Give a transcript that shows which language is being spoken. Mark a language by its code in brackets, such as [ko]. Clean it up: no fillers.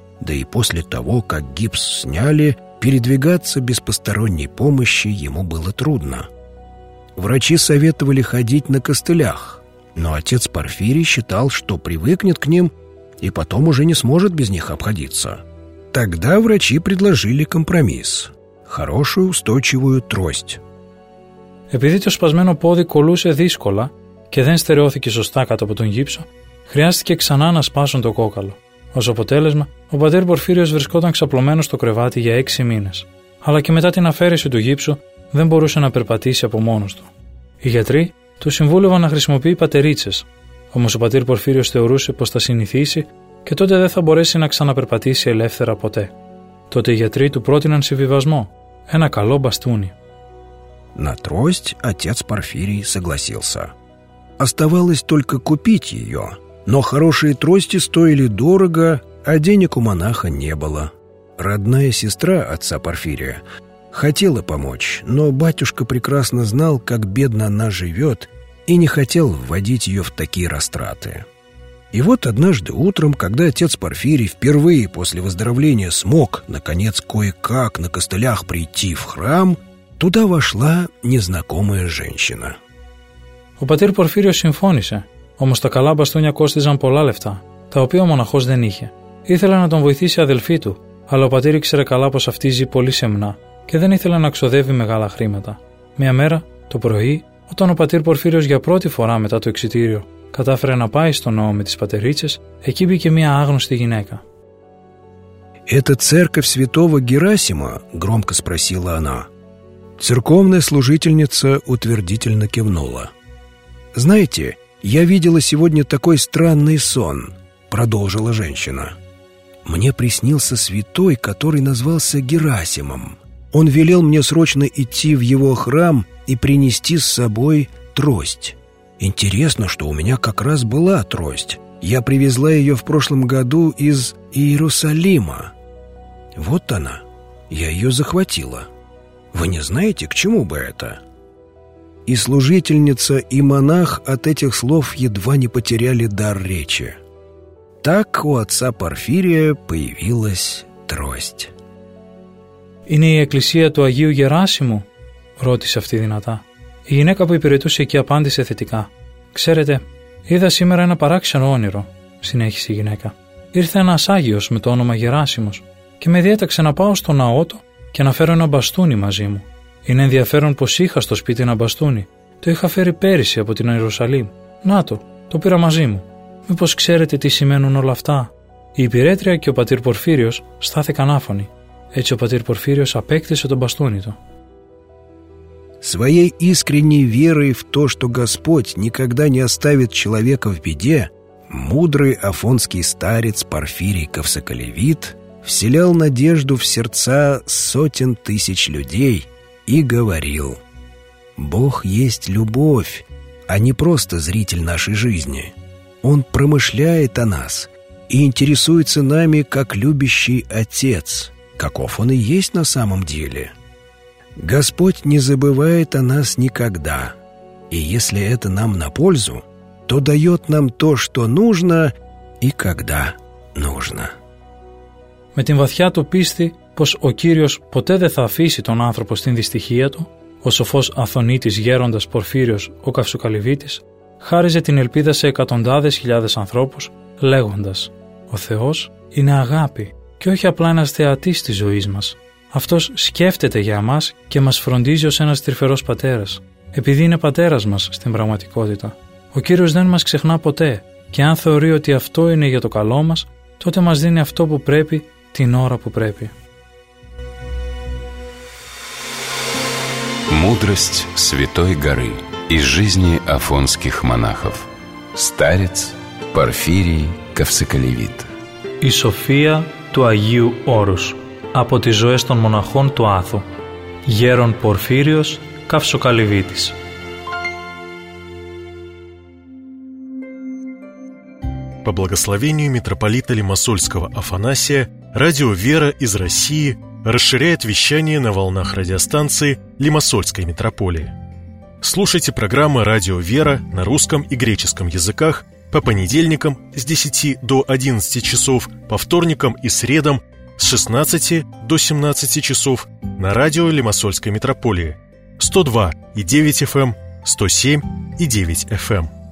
[ru] Да и после того, как гипс сняли, передвигаться без посторонней помощи ему было трудно. Врачи советовали ходить на костылях, но отец Порфирий считал, что привыкнет к ним и потом уже не сможет без них обходиться. Тогда врачи предложили компромисс – хорошую устойчивую трость. [el] Επειδή το σπασμένο πόδι κολούσε δύσκολα και δεν στερεώθηκε σωστά κάτω από τον γύψο, χρειάστηκε ξανά να σπάσουν το κόκαλο. Ως αποτέλεσμα, ο πατέρ Πορφύριος βρισκόταν ξαπλωμένος στο κρεβάτι για 6 μήνες. Αλλά και μετά την αφαίρεση του γύψου, δεν μπορούσε να περπατήσει από μόνος του. Οι γιατροί του συμβούλευαν να χρησιμοποιεί πατερίτσες. Όμως ο πατέρ Πορφύριος θεωρούσε πως θα συνηθίσει και τότε δεν θα μπορέσει να ξαναπερπατήσει ελεύθερα ποτέ. Τότε οι γιατροί του πρότειναν συμβιβασμό, ένα καλό μπαστούνι. [ru] На трость отец Порфирий согласился. Оставалось только купить ее, но хорошие трости стоили дорого, а денег у монаха не было. Родная сестра отца Порфирия хотела помочь, но батюшка прекрасно знал, как бедно она живет, и не хотел вводить ее в такие растраты. И вот однажды утром, когда отец Порфирий впервые после выздоровления смог, наконец, кое-как на костылях прийти в храм, туда вошла незнакомая женщина. [el] Ο πατήρ Πορφύριος συμφώνησε, όμως τα καλά μπαστούνια κόστιζαν πολλά λεφτά, τα οποία ο μοναχός δεν είχε. Ήθελε να τον βοηθήσει η αδελφή του, αλλά ο πατήρ ήξερε καλά πως αυτή ζει πολύ σεμνά και δεν ήθελε να ξοδεύει μεγάλα χρήματα. Μια μέρα, το πρωί, όταν ο πατήρ Πορφύριος για πρώτη φορά μετά το εξιτήριο κατάφερε να πάει στο ναό με τις πατερίτσες, εκεί μπήκε μια άγνωστη γυναίκα. [ru] «Это церковь святого Герасима?» – громко спросила она. Церковная служительница утвердительно кивнула. «Знаете, я видела сегодня такой странный сон», – продолжила женщина. «Мне приснился святой, который назвался Герасимом. Он велел мне срочно идти в его храм и принести с собой трость». Интересно, что у меня как раз была трость. Я привезла ее в прошлом году из Иерусалима. Вот она. Я ее захватила. Вы не знаете, к чему бы это? И служительница, и монах от этих слов едва не потеряли дар речи. Так у отца Порфирия появилась трость. [el] Είναι η εκκλησία του Αγίου Γεράσιμου? Ρώτησε αυτή δυνατά. Η γυναίκα που υπηρετούσε εκεί απάντησε θετικά. «Ξέρετε, είδα σήμερα ένα παράξενο όνειρο», συνέχισε η γυναίκα. «Ήρθε ένας Άγιος με το όνομα Γεράσιμος και με διέταξε να πάω στο ναό του και να φέρω ένα μπαστούνι μαζί μου. Είναι ενδιαφέρον πως είχα στο σπίτι ένα μπαστούνι. Το είχα φέρει πέρυσι από την Ιερουσαλήμ. Να το, το πήρα μαζί μου. Μήπως ξέρετε τι σημαίνουν όλα αυτά?» Η υπηρέτρια και ο πατήρ Πορφύριος στάθηκαν άφωνοι. Έτσι ο πατήρ Πορφύριος απέκτησε τον μπαστούνι του. [ru] Своей искренней верой в то, что Господь никогда не оставит человека в беде, мудрый афонский старец Порфирий Ковсоколевит вселял надежду в сердца сотен тысяч людей и говорил: «Бог есть любовь, а не просто зритель нашей жизни. Он промышляет о нас и интересуется нами, как любящий отец, каков он и есть на самом деле. Господь не забывает о нас никогда, и если это нам на пользу, то дает нам то, что нужно и когда нужно». [el] Με την βαθιά του πίστη πως ο Κύριος ποτέ δεν θα αφήσει τον άνθρωπο στην δυστυχία του, ο σοφός Αθωνίτης γέροντας Πορφύριος ο Καυσοκαλυβίτης χάριζε την ελπίδα σε εκατοντάδες χιλιάδες ανθρώπους λέγοντας: «Ο Θεός είναι αγάπη και όχι απλά ένας θεατής της ζωής μας. Αυτός σκέφτεται για μας και μας φροντίζει ως ένας τρυφερός πατέρας, επειδή είναι πατέρας μας στην πραγματικότητα. Ο Κύριος δεν μας ξεχνά ποτέ και αν θεωρεί ότι αυτό είναι για το καλό μας, τότε μας δίνει αυτό που πρέπει την ώρα που πρέπει». [ru] Мудрость Святой Горы из жизни афонских монахов. Старец Порфирий Ковсоколевит. [el] Η σοφία του Αγίου Όρους από τις ζωές των μοναχών του Άθου. Γέρον Πορφύριος Ковσоколевитης. [ru] По благословению митрополита Лимассольского Афанасия, радио «Вера» из России расширяет вещание на волнах радиостанции Лимассольской митрополии. Слушайте программы «Радио «Вера» на русском и греческом языках по понедельникам с 10 до 11 часов, по вторникам и средам с 16 до 17 часов на радио Лимассольской митрополии 102.9 FM, 107.9 FM.